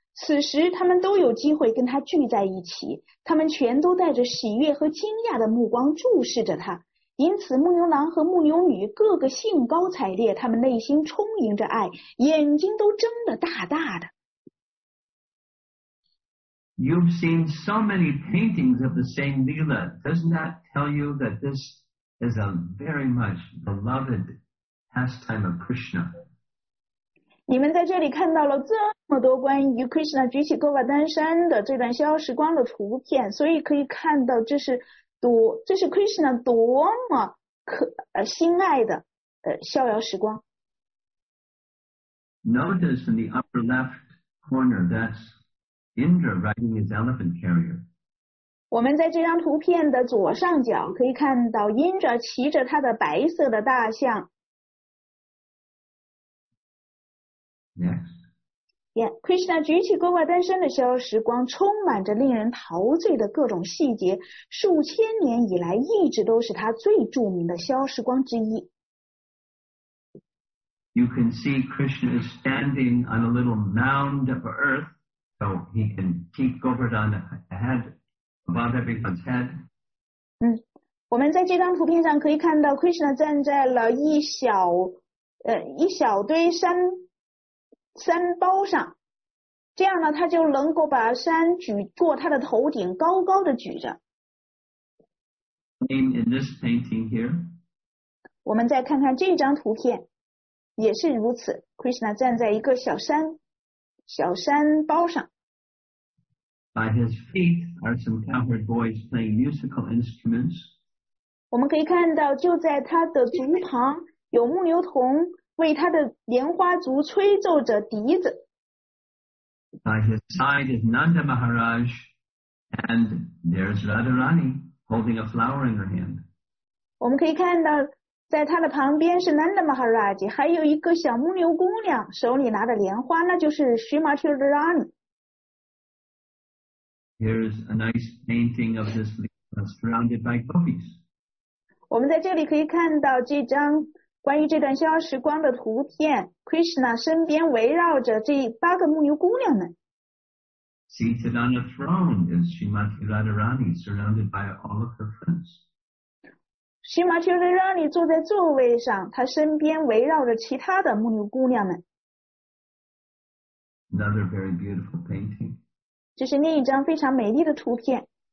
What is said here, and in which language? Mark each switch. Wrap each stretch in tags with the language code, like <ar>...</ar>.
<zh>此时他们都有机会跟他聚在一起，他们全都带着喜悦和惊讶的目光注视着他。因此牧牛郎和牧牛女个个兴高采烈，他们内心充盈着爱，眼睛都睁得大大的。</zh> <en>You've seen so many paintings of the same Leela. Doesn't that tell you that this is a very much beloved pastime of Krishna?</en> <zh>你们在这里看到了这么多关于 Krishna 举起 Govardhan 山的这段逍遥时光的图片，所以可以看到这是 Krishna 多么心爱的逍遥时光。</zh> <en>Notice in the upper left corner, that's Indra riding his elephant carrier.</en> <zh>我们在这张图片的左上角可以看到 Indra 骑着他的白色的大象。</zh> <en>Next.</en> <zh>Yeah, Krishna 举起 Govardhan 山的逍遥时光，充满着令人陶醉的各种细节，数千年以来一直都是他最著名的逍遥时光之一。</zh> <en>You can see Krishna is standing on a little mound of earth, so he can keep Govardhan ahead, above everyone's head.</en> <zh>我们在这张图片上可以看到 Krishna 站在了一小堆山包上，这样呢，他就能够把山举过他的头顶，高高的举着。</zh> <en>In this painting here,</en> <zh>我们再看看这张图片，也是如此。 Krishna 站在一个小山包上。</zh> <en>By his feet are some cowherd boys playing musical instruments.</en> <zh>我们可以看到，就在他的足旁有牧牛童。为他的莲花族吹奏着笛子。</zh> <en>By his side is Nanda Maharaj, and there's Radharani holding a flower in her hand.</en> <zh>我们可以看到，在他的旁边是 Nanda Maharaj， 还有一个小牧牛姑娘，手里拿着莲花，那就是 Srimati Radharani。</zh> <en>Here's a nice painting of this leela surrounded by gopis.</en> <zh>我们在这里可以看到这张。关于这段逍遥时光的图片， Krishna 身边围绕着这八个牧牛姑娘们。</zh> <en>Seated on the throne is Srimati Radharani, surrounded by all of her friends.</en> <zh>Srimati Radharani 坐在座位上，她身边围绕着其他的牧牛姑娘们。</zh> <en>Another very beautiful painting.</en> <zh>这是另一张非常美丽的图片。</zh>